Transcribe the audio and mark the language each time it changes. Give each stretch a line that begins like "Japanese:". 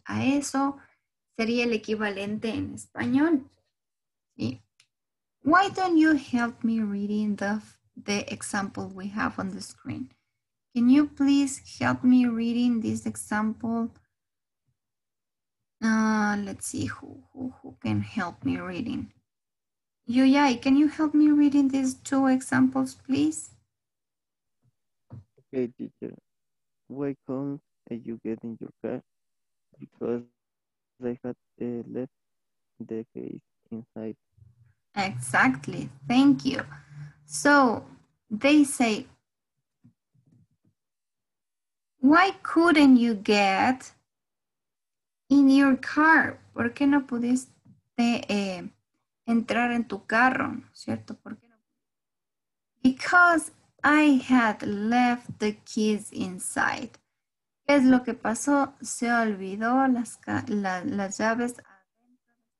Spanish: A eso sería el equivalente en español, ¿sí?
English: Why don't you help me reading the example we have on the screen? Can you please help me reading this example? Let's see who can help me reading. Yuyai, can you help me reading these two examples, please? Okay, teacher. Why can't you get in your car? Because I had left the case inside. Exactly. Thank you. So they say, why couldn't you get in your car?
Spanish: ¿Por qué no pudiste entrar en tu carro? ¿Cierto? ¿Por qué no?
English: Because I had left the keys inside.
Spanish: ¿Qué es lo que pasó? Se olvidó las llaves adentro.